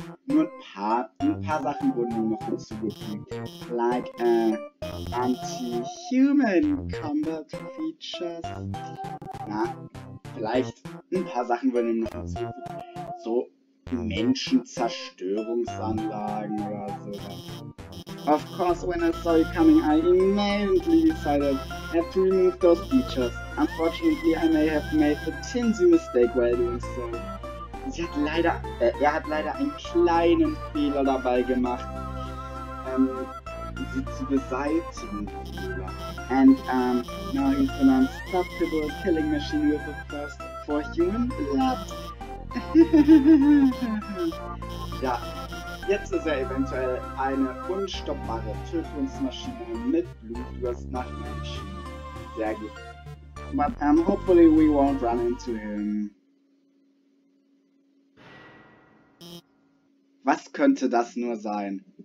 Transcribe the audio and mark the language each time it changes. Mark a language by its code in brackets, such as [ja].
[de] Nur ein paar Sachen wurden nur noch hinzugefügt. [en] Like, anti-human combat features. [de] Na, vielleicht ein paar Sachen wurden nur noch hinzugefügt. So, Menschenzerstörungsanlagen oder so. [en] Of course, when I saw you coming, I immediately decided I had to remove those features. Unfortunately, I may have made a tinsy mistake while doing so. [de] Er hat leider einen kleinen Fehler dabei gemacht, sie zu beseitigen. [en] And, now he's an unstoppable killing machine with a thirst for human blood. [de] Ja, jetzt ist er eventuell eine unstoppbare Tötungsmaschine mit Blutdurst nach Menschen. Sehr gut. [en] But hopefully we won't run into him. [de] Was könnte das nur sein?